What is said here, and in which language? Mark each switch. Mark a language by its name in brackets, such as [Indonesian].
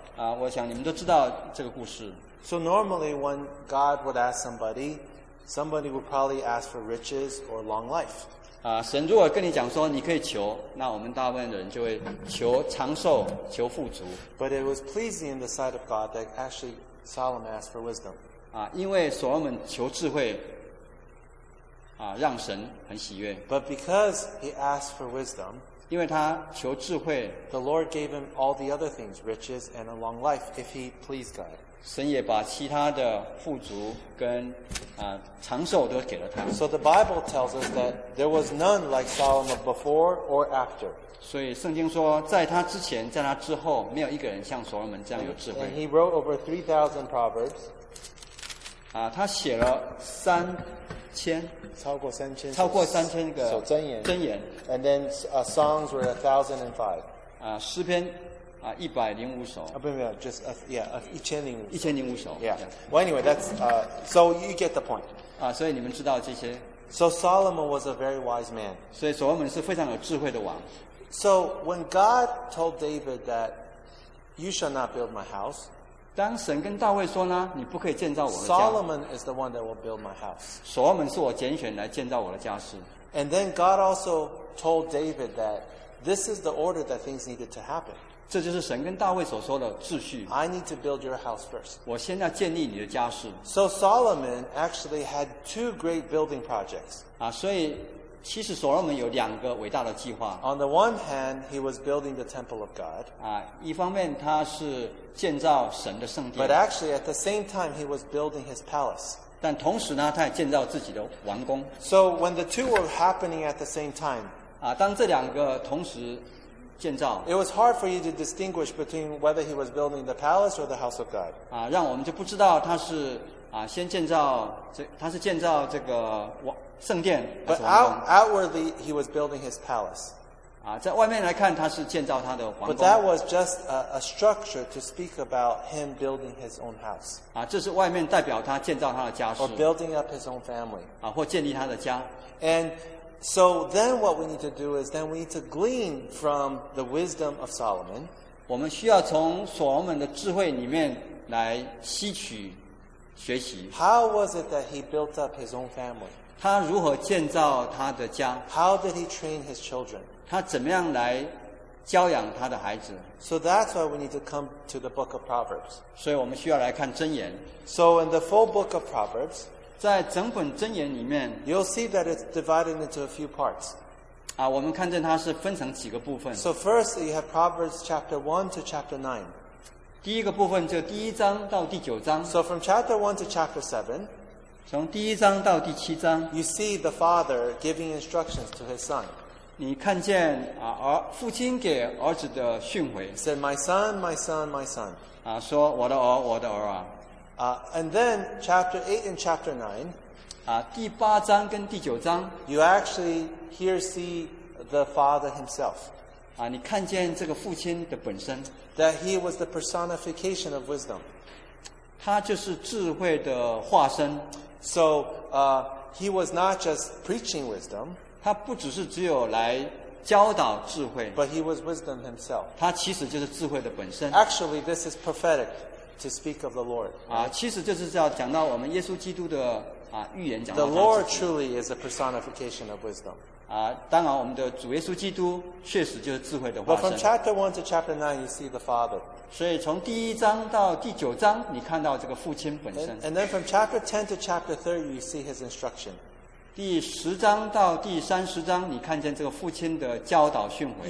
[Chinese] 啊，我想你们都知道这个故事。 [English] So normally when God would ask somebody, somebody would probably ask for riches or long life. [Chinese] 啊，神如果跟你讲说你可以求，那我们大部分人就会求长寿，求富足。 [English] But it was pleasing in the sight of God that actually Solomon asked for wisdom. [Chinese] 啊，因为所罗门求智慧。啊，让神很喜悦。 [English] But because he asked for wisdom, [Chinese] 因为他求智慧， [English] the Lord gave him all the other things, riches and a long life, if he pleased God. [Chinese] 神也把其他的富足跟啊长寿都给了他。 [English] So the Bible tells us that there was none like Solomon before or after. [Chinese] 所以圣经说，在他之前，在他之后，没有一个人像所罗门这样有智慧。 [English] And he wrote over 3,000 proverbs. [Chinese] 啊，他写了三千。超过三千个箴言 [English] and then songs were 1,005. [Chinese] 啊，诗篇啊，一百零五首。啊，不 ， [English] just [Chinese] a 一千零五首。 [English] Yeah. Well, anyway, that's so you get the point. [Chinese] 啊，所以你们知道这些。 [English] So Solomon was a very wise man. [Chinese] 所以所罗门是非常有智慧的王。 [English] So when God told David that you shall not build my house. [Chinese] 当神跟大卫说呢，你不可以建造我的家。 [English] Solomon is the one that will build my house. [Chinese] 所罗门是我拣选来建造我的家室。 [English] And then God also told David that this is the order that things needed to happen. [Chinese] 这就是神跟大卫所说的秩序。 [English] I need to build your house first. [Chinese] 我先要建立你的家室。 [English] So Solomon actually had two great building projects. [Chinese] 啊，所以其实所罗门有两个伟大的计划。 [English] On the one hand, he was building the temple of God. [Chinese] 啊，一方面他是建造神的圣殿。 [English] But actually, at the same time, he was building his palace. [Chinese] 但同时呢，他也建造自己的王宫。 [English] So when the two were happening at the same time, [Chinese] 啊，当这两个同时建造， [English] it was hard for you to distinguish between whether he was building the palace or the house of God. [Chinese] 啊，让我们就不知道他是啊先建造这，他是建造这个王。圣殿， [English] but outwardly he was building his palace. [Chinese] 啊，在外面来看，他是建造他的皇宫。 [English] But that was just a structure to speak about him building his own house. [Chinese] 啊，这是外面代表他建造他的家室。 [English] Or building up his own family. [Chinese] 啊，或建立他的家。 [English] And so then what we need to do is then we need to glean from the wisdom of Solomon. [Chinese] 我们需要从所罗门的智慧里面来吸取学习。 [English] How was it that he built up his own family? [Chinese] 他如何建造他的家？ [English] How did he train his children? [Chinese] 他怎么样来教养他的孩子。 [English] So that's why we need to come to the book of Proverbs. [Chinese] 所以我们需要来看箴言。 [English] So in the full book of Proverbs, [Chinese] 在整本箴言里面 [English] you'll see that it's divided into a few parts. [Chinese] 啊，我们看见它是分成几个部分。 [English] So first, you have Proverbs chapter 1 to chapter 9. [Chinese] 第一个部分就第一章到第九章。 [English] So from chapter 1 to chapter 7, [Chinese] 从第一章到第七章 [English] you see the father giving instructions to his son. [Chinese] 你看见父亲给儿子的训诲。 [English] He said, my son, my son, my son. [Chinese] 说我的儿我的儿啊。 [English] And then chapter 8 and chapter 9, [Chinese] 第八章跟第九章 [English] you actually here see the father himself. [Chinese] 你看见这个父亲的本身 [English] that he was the personification of wisdom [Chinese] 他就是智慧的化身 [English] so he was not just preaching wisdom [Chinese] 他不只是只有来教导智慧 [English] but he was wisdom himself [Chinese] 他其实就是智慧的本身 [English] actually this is prophetic to speak of the Lord [Chinese] 其实就是要讲到我们耶稣基督的预言讲到 [English] the Lord truly is the personification of wisdom [Chinese] 当然我们的主耶稣基督确实就是智慧的化身 [English] But from chapter 1 to chapter 9 you see the father [Chinese] 所以从第一章到第九章你看到这个父亲本身 [English] And then from chapter 10 to chapter 30 you see his instruction [Chinese] 第十章到第三十章你看见这个父亲的教导训诲